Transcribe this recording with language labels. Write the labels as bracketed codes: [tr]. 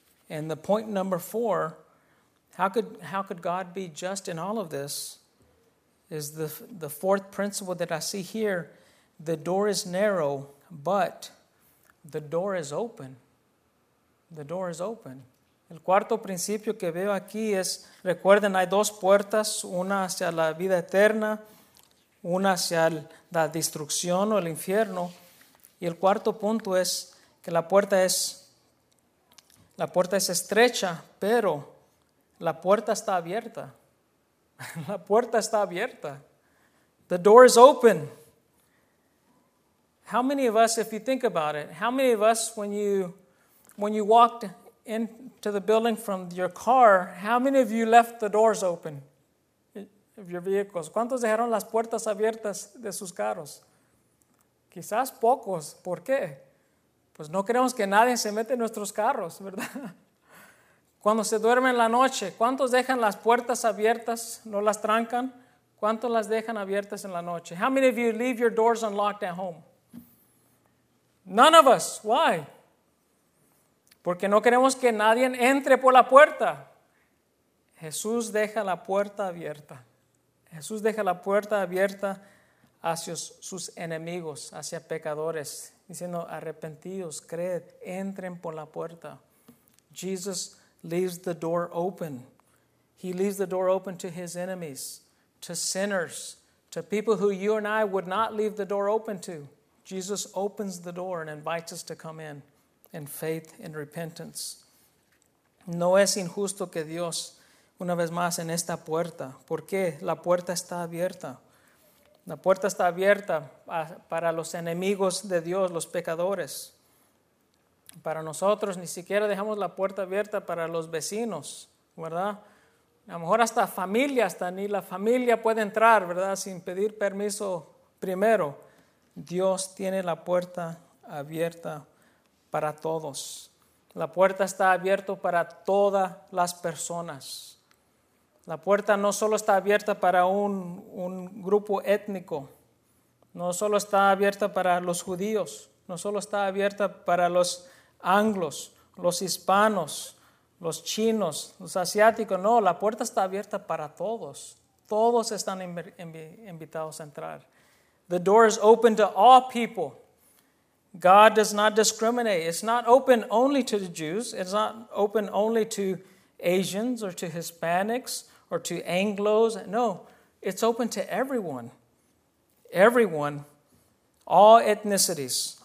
[en] And the point number four, how could God be just in all of this? Is the fourth principle that I see here. The door is narrow, but the door is open. The door is open. [es] El cuarto principio que veo aquí es, recuerden, hay dos puertas, una hacia la vida eterna, una hacia la destrucción o el infierno. Y el cuarto punto es que la puerta es estrecha, pero la puerta está abierta. La puerta está abierta. [en] The door is open. How many of us, if you think about it, how many of us, when you walked into the building from your car, how many of you left the doors open of your vehicles? [es] ¿Cuántos dejaron las puertas abiertas de sus carros? Quizás pocos. ¿Por qué? Pues no queremos que nadie se meta en nuestros carros, ¿verdad? Cuando se duerme en la noche, ¿cuántos dejan las puertas abiertas? ¿No las trancan? ¿Cuántos las dejan abiertas en la noche? [en] How many of you leave your doors unlocked at home? None of us. Why? [es] Porque no queremos que nadie entre por la puerta. Jesús deja la puerta abierta. Jesús deja la puerta abierta hacia sus enemigos, hacia pecadores, diciendo, arrepentidos, creed, entren por la puerta. [en] Jesús leaves the door open. He leaves the door open to his enemies, to sinners, to people who you and I would not leave the door open to. Jesus opens the door and invites us to come in faith and repentance. [es] No es injusto que Dios, una vez más, en esta puerta. ¿Por qué? La puerta está abierta. La puerta está abierta para los enemigos de Dios, los pecadores. Para nosotros ni siquiera dejamos la puerta abierta para los vecinos, ¿verdad? A lo mejor hasta ni la familia puede entrar, ¿verdad? Sin pedir permiso primero. Dios tiene la puerta abierta para todos. La puerta está abierta para todas las personas. La puerta no solo está abierta para un grupo étnico. No solo está abierta para los judíos. No solo está abierta para los anglos, los hispanos, los chinos, los asiáticos. No, la puerta está abierta para todos. Todos están invitados a entrar. [en] The door is open to all people. God does not discriminate. It's not open only to the Jews. It's not open only to Asians or to Hispanics or to Anglos. No, it's open to everyone. Everyone, all ethnicities,